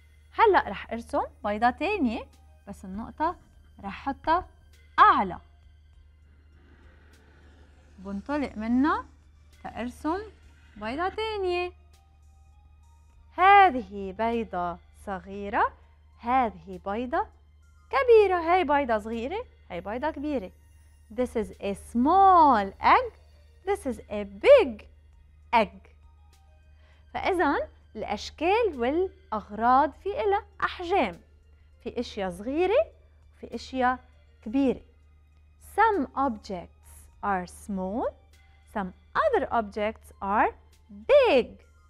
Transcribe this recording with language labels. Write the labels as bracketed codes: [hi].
[ar] هلأ رح أرسم بيضة تانية، بس النقطة رح حطها أعلى، بنطلق منها فأرسم بيضة تانية. هذه بيضة صغيرة، هذه بيضة كبيرة، هاي بيضة صغيرة، هاي بيضة كبيرة. [en] This is a small egg, this is a big egg. [ar] فإذا الأشكال والأغراض في إلها أحجام، في أشياء صغيرة وفي أشياء كبيرة. [en] Some objects are small, some other objects are big.